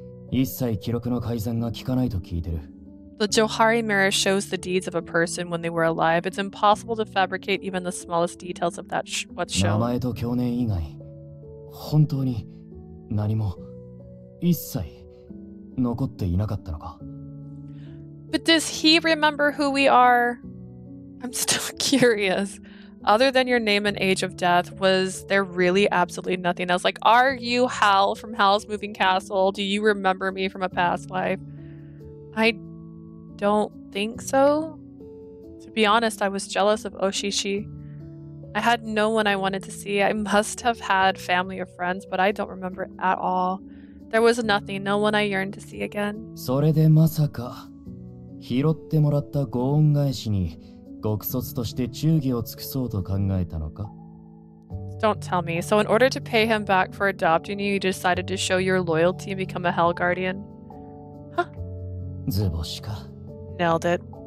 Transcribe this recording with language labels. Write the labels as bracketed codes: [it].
[ja] 一切記録の改ざんが効かないと聞いてる。 [en] The Johari mirror shows the deeds of a person when they were alive. It's impossible to fabricate even the smallest details of that what's shown. [ja] 名前と去年以外、本当に何も一切残っていなかったのか。 [en] But does he remember who we are? I'm still curious. Other than your name and age of death, was there really absolutely nothing else? Like, are you Hal from Hal's Moving Castle? Do you remember me from a past life? I don't think so. To be honest, I was jealous of Oshishi. I had no one I wanted to see. I must have had family or friends, but I don't remember at all. There was nothing, no one I yearned to see again. [ja] それでまさか、拾ってもらったご恩返しに極卒として忠義を尽くそうと考えたのか? [en] Don't tell me. So in order to pay him back for adopting you, you decided to show your loyalty and become a Hell Guardian? Huh. Nailed it.